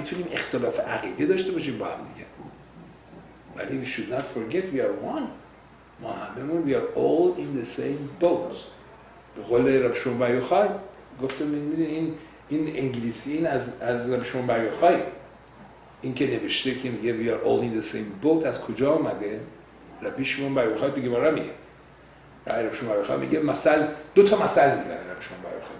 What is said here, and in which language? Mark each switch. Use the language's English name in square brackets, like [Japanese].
[Persian] میتونیم اختلاف عقیده داشته باشیم با هم دیگه. ولی [English] we should not forget we are one. [Persian] ما هممون [English] we are all in the same boat. [Persian] به قول رب شما بایو خواهی. گفتم این انگلیسی این از رب شما بایو خواهی. این که نوشته که میگه [English] we are all in the same boat [Persian] از کجا آمده؟ ربی شما بایو خواهی بگه برای میگه. رب شما بایو خواهی میگه مثل دو تا مثل میزنه رب شما بایو خواهی.